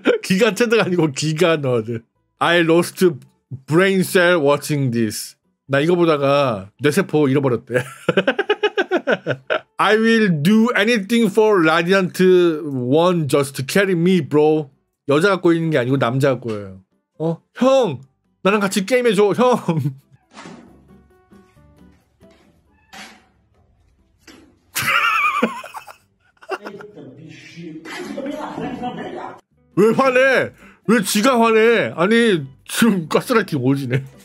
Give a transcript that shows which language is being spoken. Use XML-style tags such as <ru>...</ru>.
<ko>기가체드가 아니고 기가너드.</ko> <en>I lost brain cell watching this.</en> <ko>나 이거 보다가 뇌세포 잃어버렸대.</ko> <en>I will do anything for Radiant One just carry me bro.</en> <ko>여자 갖고 있는 게 아니고 남자 갖고 해요. 형 나랑 같이 게임해줘 형. 왜 화내? 왜 지가 화내? 아니 지금 가스라이팅 오지네.</ko>